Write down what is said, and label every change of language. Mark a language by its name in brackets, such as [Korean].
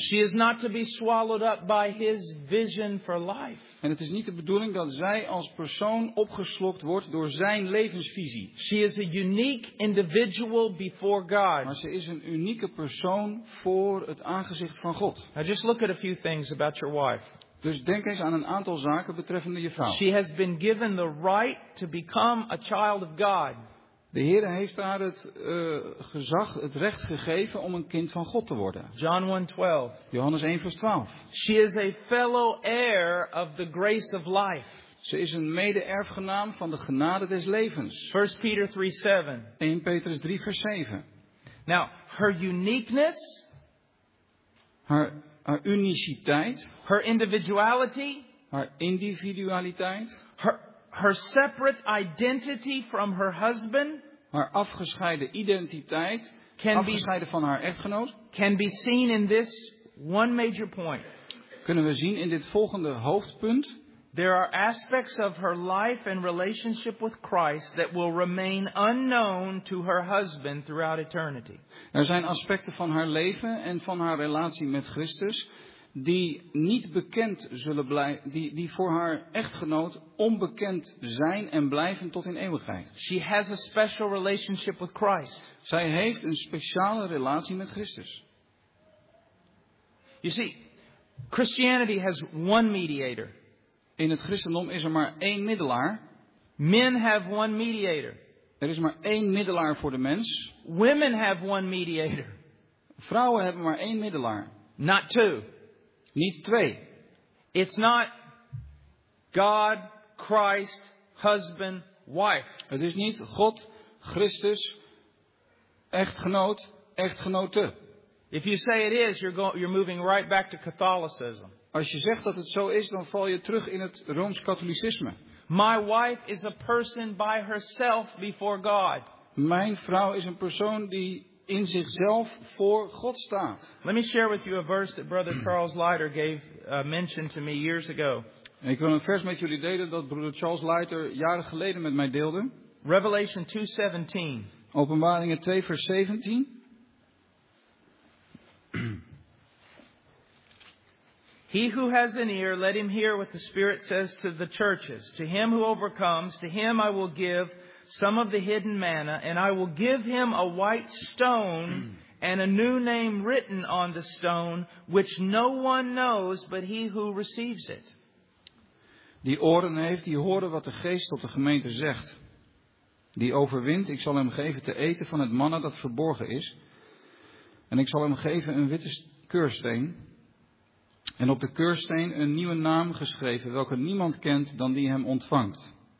[English] She is not to be swallowed up by his vision for life. [Dutch] En het is niet de bedoeling dat zij als persoon opgeslokt wordt door zijn levensvisie. [English] She is a unique individual before God. [Dutch] Maar ze is een unieke persoon voor het aangezicht van God. [English] Now just look at a few things about your wife. [Dutch] Dus denk eens aan een aantal zaken betreffende je vrouw. [English] She has been given the right to become a child of God. [Dutch] De Heer heeft haar het gezag, het recht gegeven om een kind van God te worden. Johannes 1 vers 12. [English] She is a fellow heir of the grace of life. [Dutch] Ze is een mede-erfgenaam van de genade des levens. [English] 1 Peter 3:7. [Dutch] 1 Petrus 3 vers 7. [English] Now, her uniqueness, [Dutch] haar uniciteit, [English] her individuality, [Dutch] haar individualiteit, [English] her separate identity from her husband, [Dutch] haar afgescheiden identiteit, afgescheiden van haar echtgenoot, [English] can be seen in this one major point. [Dutch] Kunnen we zien in dit volgende hoofdpunt. [English] There are aspects of her life and relationship with Christ that will remain unknown to her husband throughout eternity. [Dutch] Er zijn aspecten van haar leven en van haar relatie met Christus die niet bekend zullen blijven, die voor haar echtgenoot onbekend zijn en blijven tot in eeuwigheid. [English] She has a special relationship with Christ. [Dutch] Zij heeft een speciale relatie met Christus. [English] You see, Christianity has one mediator. [Dutch] In het christendom is er maar één middelaar. [English] Men have one mediator. [Dutch] Er is maar één middelaar voor de mens. [English] Women have one mediator. [Dutch] Vrouwen hebben maar één middelaar. [English] Not two. [Dutch] Niet twee. [English] It's not God, Christ, husband, wife. [Dutch] Het is niet God, Christus, echtgenoot, echtgenote. [English] If you say it is, you're moving right back to Catholicism. [Dutch] Als je zegt dat het zo is, dan val je terug in het Rooms-Katholicisme. [English] My wife is a person by herself before God. [Dutch] Mijn vrouw is een persoon die in zichzelf voor God staat. [English] Let me share with you a verse that Brother Charles Leiter gave mention to me years ago. [Dutch] Ik wil een vers met jullie delen dat Brother Charles Leiter jaren geleden met mij deelde. [English] Revelation 2:17. [Dutch] Openbaringen 2 vers 17. [English] He who has an ear, let him hear what the Spirit says to the churches. To him who overcomes, to him I will give some of the hidden manna, and I will give him a white stone and a new name written on the stone, which no one knows but he who receives it. [Dutch] Die oren heeft, die horen wat de Geest tot de gemeente zegt. Die overwint, ik zal hem geven te eten van het manna dat verborgen is. En ik zal hem geven een witte keursteen. En op de keursteen een nieuwe naam geschreven, welke niemand kent dan die hem ontvangt.